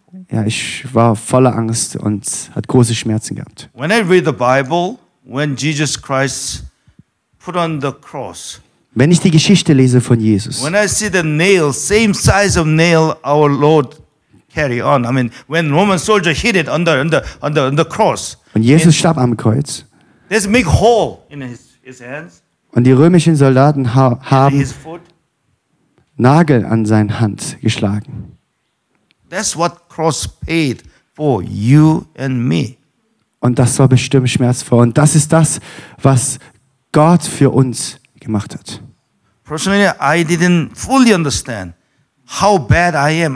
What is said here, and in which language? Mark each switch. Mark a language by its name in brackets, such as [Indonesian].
[German] Ja, ich war voller Angst und hat große Schmerzen gehabt. [English] When I read the Bible, when Jesus Christ put on the cross. [German] Wenn ich die Geschichte lese von Jesus. [English] When I see the nail, same size of nail our Lord carry on. I mean, when Roman soldier hit it on the cross. [German] Und Jesus starb am Kreuz. [English] There's a big hole in his hands. [German] Und die römischen Soldaten haben Nagel an seine Hand geschlagen. [English] That's what cross paid for you and me. [German] Und das war bestimmt schmerzvoll. Und das ist das, was Gott für uns gemacht hat. [English] Personally, I didn't fully understand how bad I am.